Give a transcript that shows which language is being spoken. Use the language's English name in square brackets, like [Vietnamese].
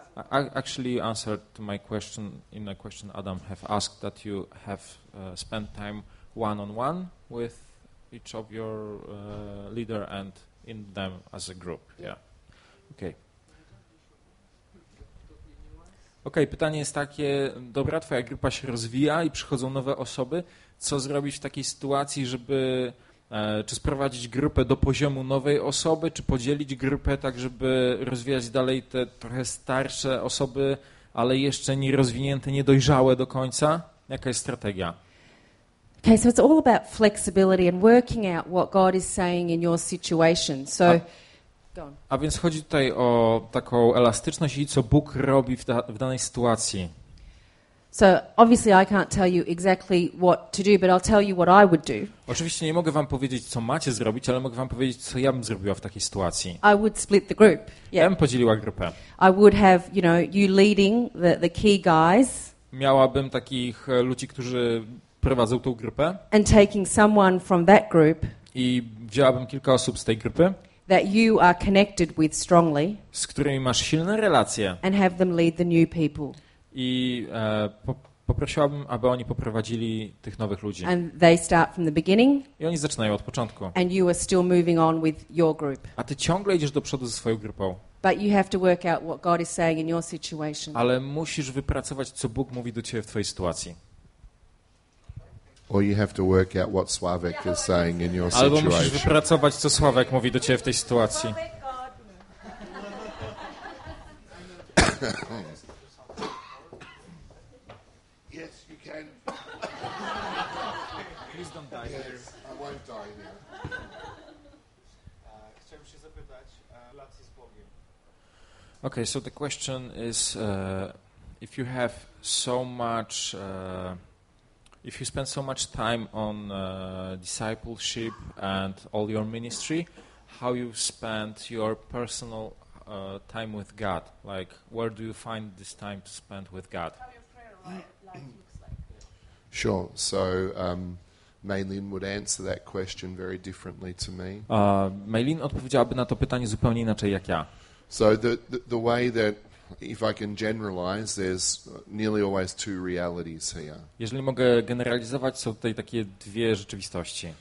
[English] Actually, you answered to my question in a question Adam have asked that you have spent time one-on-one with each of your leader and in them as a group. Yeah. Okay. [Polish] Okej, okay, pytanie jest takie, dobra, twoja grupa się rozwija i przychodzą nowe osoby. Co zrobić w takiej sytuacji, żeby czy sprowadzić grupę do poziomu nowej osoby, czy podzielić grupę tak, żeby rozwijać dalej te trochę starsze osoby, ale jeszcze nie rozwinięte, niedojrzałe do końca? Jaka jest strategia? [English] Okay, so it's all about flexibility and working out what God is saying in your situation. So [Polish] A więc chodzi tutaj o taką elastyczność i co Bóg robi w danej sytuacji. [English] So obviously I can't tell you exactly what to do, but I'll tell you what I would do. [Polish] Oczywiście nie mogę wam powiedzieć, co macie zrobić, ale mogę wam powiedzieć, co ja bym zrobiła w takiej sytuacji. [English] I would split the group. Yeah. [Polish] Ja bym podzieliła grupę. [English] I would have, you know, you leading the key guys. [Polish] Miałabym takich ludzi, którzy prowadzą tą grupę. [English] And taking someone from that group. [Polish] I wzięłabym kilka osób z tej grupy. [English] That you are connected with strongly, [Polish] z którymi masz silne relacje, [English] and have them lead the new people. [Polish] I poprosiłabym, aby oni poprowadzili tych nowych ludzi. [English] And they start from the beginning, [Polish] i oni zaczynają od początku. [English] And you are still moving on with your group. [Polish] A ty ciągle idziesz do przodu ze swoją grupą. [English] But you have to work out what God is saying in your situation. [Polish] Ale musisz wypracować, co Bóg mówi do ciebie w twojej sytuacji. [English] Or you have to work out what Sławek is saying in your situation. [Polish] Albo musisz wypracować, co Sławek mówi do ciebie w tej sytuacji. [English] Yes, you can. Please don't die. Yes, I won't die here. [Polish] Chciałem się zapytać, relacje z Bogiem. [English] Okay, so the question is, if you have so much. If you spend so much time on discipleship and all your ministry, how you spend your personal time with God? Like, where do you find this time to spend with God? Sure. So, Maylin would answer that question very differently to me. [Polish] Maylin odpowiedziałaby na to pytanie zupełnie inaczej jak ja. [English] So the way that if I can generalize, there's nearly always two realities here. [Polish] Jeżeli mogę generalizować, są tutaj takie dwie rzeczywistości.